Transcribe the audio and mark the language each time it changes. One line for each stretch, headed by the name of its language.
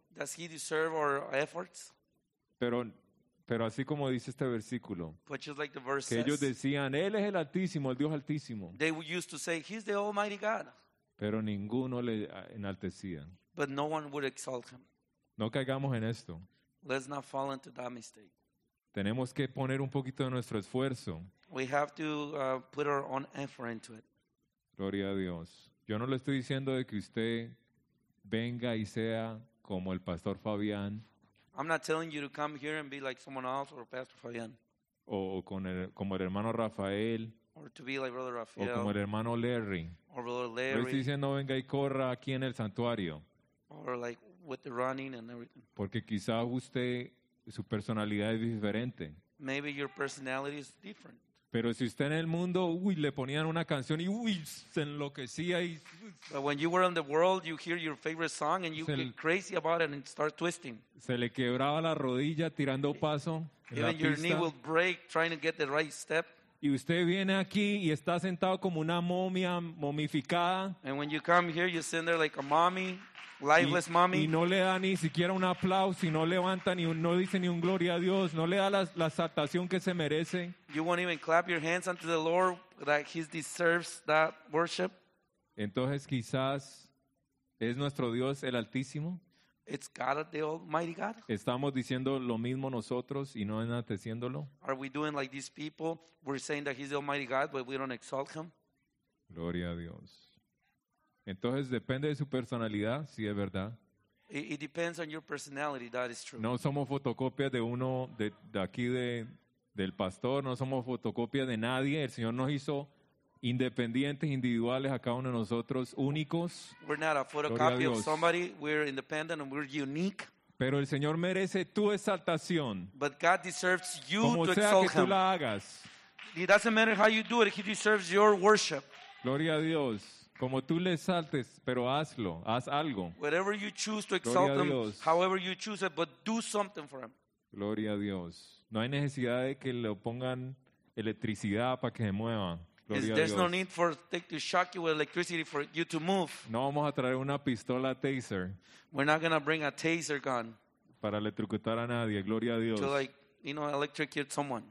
English: Does he deserve our efforts?
Spanish: Pero así como dice este versículo,
English: like the verse
Spanish: que
English: says,
Spanish: ellos decían, Él es el Altísimo, el Dios Altísimo.
English: They used to say, He's the Almighty God.
Spanish: Pero ninguno le enaltecía.
English: But no one would exalt him.
Spanish: No caigamos en esto.
English: Let's not fall into that mistake.
Spanish: Tenemos que poner un poquito de nuestro esfuerzo.
English: We have to put our own effort into it.
Spanish: Gloria a Dios. Yo no le estoy diciendo de que usted venga y sea como el Pastor Fabián.
English: I'm not telling you to come here and be like someone else or Pastor Fabián.
Spanish: O con el, como el hermano Rafael.
English: Or to be like Brother Rafael.
Spanish: O como el hermano Larry.
English: Or Brother Larry.
Spanish: No estoy diciendo venga y corra aquí en el santuario.
English: Or like with the running and everything.
Spanish: Porque quizás usted, su personalidad es diferente.
English: Maybe your personality is different.
Spanish: Pero si usted en el mundo, uy, le ponían una canción y uy, se enloquecía y
English: but when you were in the world, you hear your favorite song and you get crazy about it and start twisting.
Spanish: Se le quebraba la rodilla tirando paso en la pista.
English: Your knee will break trying to get the right step.
Spanish: Y usted viene aquí y está sentado como una momia momificada.
English: And when you come here, you sit there like a mommy, lifeless mommy.
Spanish: Y no le da ni siquiera un aplauso, y no levanta ni un, no dice ni un gloria a Dios, no le da la exaltación que se merece.
English: You won't even clap your hands unto the Lord that he deserves that worship.
Spanish: Entonces quizás es nuestro Dios el Altísimo.
English: It's God, the Almighty God.
Spanish: Estamos diciendo lo mismo nosotros y no enalteciéndolo.
English: Are we doing like these people? We're saying that he's the Almighty God, but we don't exalt him.
Spanish: Gloria a Dios. Entonces depende de su personalidad, si es verdad.
English: It depends on your personality. That is true.
Spanish: No somos fotocopias de uno de aquí del pastor. No somos fotocopias de nadie. El Señor nos hizo independientes, individuales, a cada uno de nosotros, únicos.
English: We're not a photocopy of somebody. We're independent and we're unique.
Spanish: Pero el Señor merece tu exaltación.
English: But God deserves you
Spanish: como
English: to
Spanish: sea
English: exalt
Spanish: que tú
English: him.
Spanish: La hagas.
English: It doesn't matter how you do it. He deserves your worship.
Spanish: Gloria a Dios. Como tú le exaltes, pero hazlo, haz algo.
English: Whatever you choose to exalt him, however you choose it, but do something for him.
Spanish: Gloria a Dios. No hay necesidad de que le pongan electricidad para que se mueva.
English: There's no need for to shock you with electricity for you to move.
Spanish: No vamos a traer una pistola taser.
English: We're not going to bring a taser gun.
Spanish: Para electrocutar a nadie, gloria a Dios.
English: To like, you know, electrocute someone.